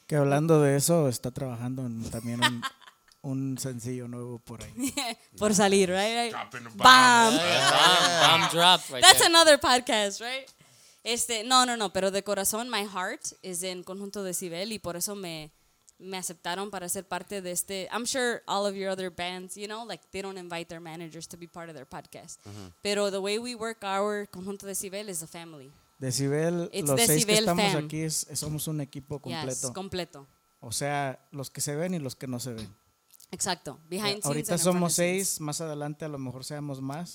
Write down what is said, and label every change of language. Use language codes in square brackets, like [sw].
[es] Que hablando de eso, está trabajando en también un, un sencillo nuevo por ahí. [en] Por yeah. salir, right? Dropping a bomb. Bomb drop. Right That's there. Another podcast, right? [es] Este, no, no, no, pero de corazón, [en] my heart is in Conjunto Dezibel, [es] y por eso me aceptaron para ser parte de este. [en] I'm sure all of your other bands, you know, like they don't invite their managers to be part of their podcast. Uh-huh. Pero the way we work our Conjunto Dezibel is a family. [es] Dezibel, it's los Dezibel seis que estamos fam. Aquí somos un equipo completo. Yes, completo. O sea, los que se ven y los que no se ven. [en] Exacto. Behind scenes. [es] Ahorita somos seis, más adelante a lo mejor seamos más.